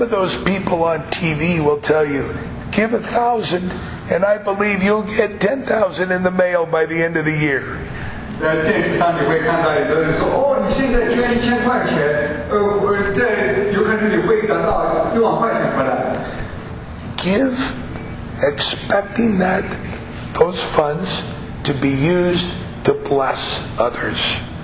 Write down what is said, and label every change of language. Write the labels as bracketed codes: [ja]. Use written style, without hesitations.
[en] of those people on TV will tell you, give $1,000 and I believe you'll get $10,000 in the mail by the end of the year. [zh] 电视上你会看到有人说，哦，你现在捐1000块钱，有可能你会得到1万块钱回来。Give [en] expecting that those funds to be used to bless others.